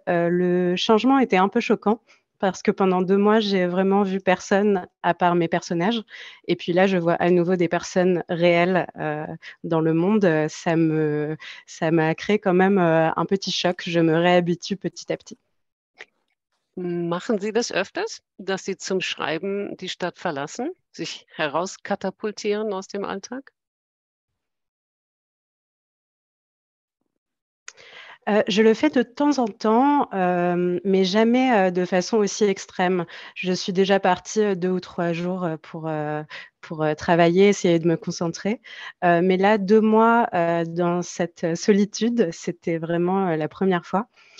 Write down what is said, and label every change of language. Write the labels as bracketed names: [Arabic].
[French] Le changement était un peu choquant parce que pendant 2 mois, j'ai vraiment vu personne à part mes personnages. Et puis là, je vois à nouveau des personnes réelles dans le monde. Ça m'a créé quand même un petit choc. Je me réhabitue petit à petit. [German] Machen Sie das öfters, dass Sie zum Schreiben die Stadt verlassen, sich herauskatapultieren aus dem Alltag? [French] Je le fais de temps en temps, mais jamais de façon aussi extrême. Je suis déjà partie 2 ou 3 jours pour travailler, essayer de me concentrer. Mais là, 2 mois dans cette solitude, c'était vraiment la première fois.